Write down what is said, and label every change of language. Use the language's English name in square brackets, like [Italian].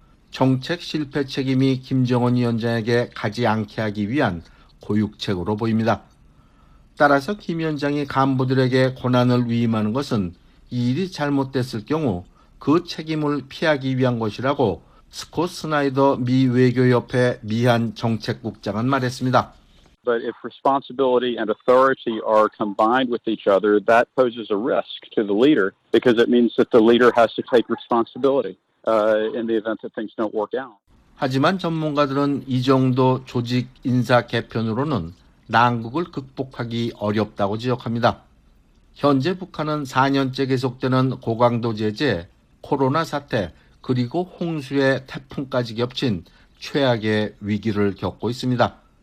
[Korean] 정책 실패 책임이 김정은 위원장에게 가지 않게 하기 위한 고육책으로 보입니다. 따라서 김 위원장이 간부들에게 권한을 위임하는 것은 이 일이 잘못됐을 경우 그 책임을 피하기 위한 것이라고 스콧 스나이더 미 외교협회 미한 정책국장은 말했습니다. [English] But if responsibility and authority are combined with each other, that poses a risk to the leader because it means that the leader has to take responsibility in the event that things don't work out. [Korean] 하지만 전문가들은 이 정도 조직 인사 개편으로는 난국을 극복하기 어렵다고 지적합니다. 현재 북한은 4년째 계속되는 고강도 제재, 코로나 사태, 그리고 홍수에 태풍까지 겹친 최악의 위기를 겪고 있습니다.